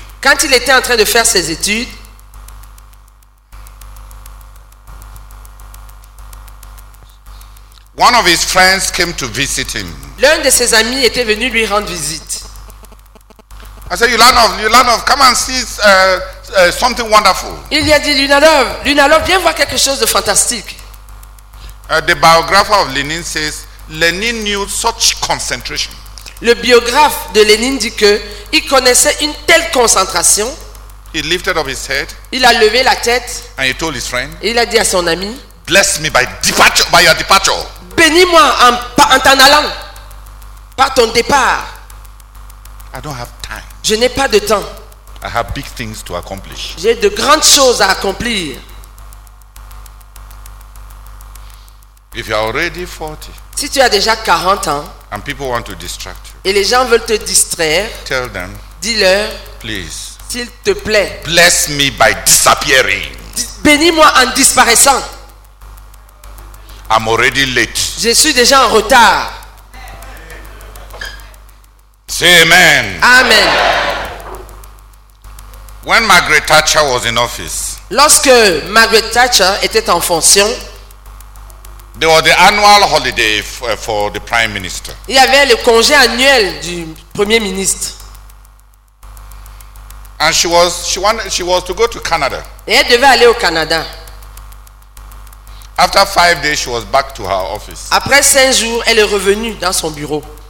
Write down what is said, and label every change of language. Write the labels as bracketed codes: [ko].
[fr] Quand il était en train de faire ses études. [en] One of his friends came to visit him. [fr] L'un de ses amis était venu lui rendre visite. [en] I said, Ulyanov, come and see something wonderful. [fr] Il lui a dit, Ulyanov, viens voir quelque chose de fantastique. [en] The biographer of Lenin says, Lenin knew such concentration. [fr] Le biographe de Lenin dit que il connaissait une telle concentration. [en] He lifted up his head. [fr] Il a levé la tête. [en] And he told his friend. [fr] Et il a dit à son ami. [en] Bless me by your departure. [fr] Bénis-moi en t'en allant. Par ton départ. [en] I don't have time. [fr] Je n'ai pas de temps. [en] I have big things to accomplish. [fr] J'ai de grandes choses à accomplir. [en] If you are already 40. [fr] Si tu as déjà 40 ans. [en] And people want to distract you. [fr] Et les gens veulent te distraire. [en] Tell them. [fr] Dis-leur. [en] Please. [fr] S'il te plaît. [en] Bless me by disappearing. [fr] Bénis-moi en disparaissant. [en] I'm already late. [fr] Je suis déjà en retard. [en] Say amen. [fr] Amen. [en] When Margaret Thatcher was in office. [fr] Lorsque Margaret Thatcher était en fonction. [en] There was the annual holiday for the prime minister. [fr] Il y avait le congé annuel du premier ministre. [en] And she was to go to Canada. [fr] Et elle devait aller au Canada. [en] After 5 days, she was back to her office. [fr] Après 5 jours, elle est revenue dans son bureau.